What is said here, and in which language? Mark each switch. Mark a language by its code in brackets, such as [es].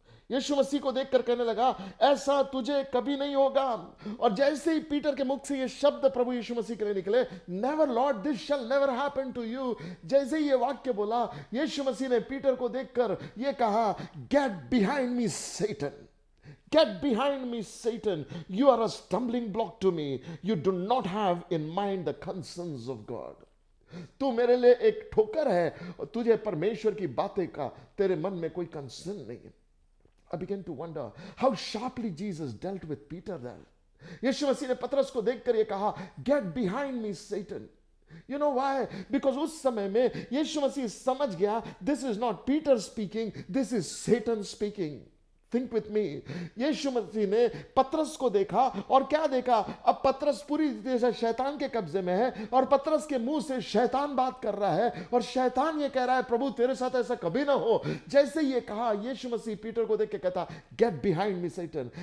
[hi] यीशु मसीह को देखकर कहने लगा ऐसा तुझे कभी नहीं होगा, और जैसे ही पीटर के मुख से ये शब्द प्रभु यीशु मसीह के लिए निकले [en] never Lord this shall never happen to you, [hi] जैसे ही ये वाक्य बोला यीशु मसीह ने पीटर को देखकर ये कहा [en] Get behind me Satan, you are a stumbling block to me, you do not have in mind the concerns of God. [hi] तू मेरे लिए एक ठोकर है, तुझे परमेश्वर की बातें का तेरे मन में कोई कंसर्न नहीं है। [en] I began to wonder how sharply Jesus dealt with Peter there. [hi] यीशु मसीह ने पतरस को देखकर ये कहा [en] get behind me Satan. You know why? Because [hi] उस समय में यीशु मसीह समझ गया [en] this is not Peter speaking, this is Satan speaking. Think with me. [hi] यीशु मसीह ने पतरस को देखा और क्या देखा, अब पतरस पूरी तरह से शैतान के कब्जे में है और पतरस के मुंह से शैतान बात कर रहा है और शैतान ये कह रहा है प्रभु तेरे साथ ऐसा कभी ना हो। जैसे ये कहा यीशु मसीह पीटर को देख के कहता [en] Get behind me Satan.